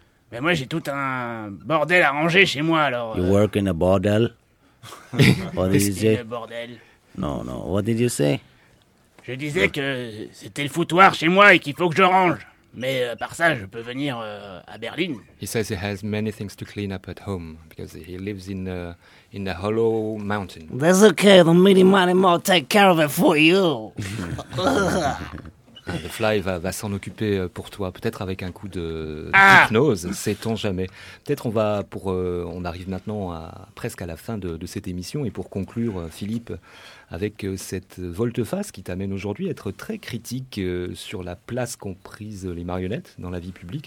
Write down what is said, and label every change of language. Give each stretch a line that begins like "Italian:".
French: Ben moi, j'ai tout un bordel à ranger chez moi, alors...
English: You work in a bordel? What did you say?
French: C'est le bordel.
English: No. What did you say?
French: Je disais que c'était le foutoir chez moi et qu'il faut que je range. Mais par ça, je peux venir à Berlin.
English: He says he has many things to clean up at home because he lives in the hollow mountain. That's okay. The Mighty Mighty Mo will take care of it for you.
French: Le Fly va s'en occuper pour toi, peut-être avec un coup d'hypnose, sait-on jamais. Peut-être on va, on arrive maintenant presque à la fin de cette émission, et pour conclure, Philippe, avec cette volte-face qui t'amène aujourd'hui à être très critique sur la place qu'ont prise les marionnettes dans la vie publique.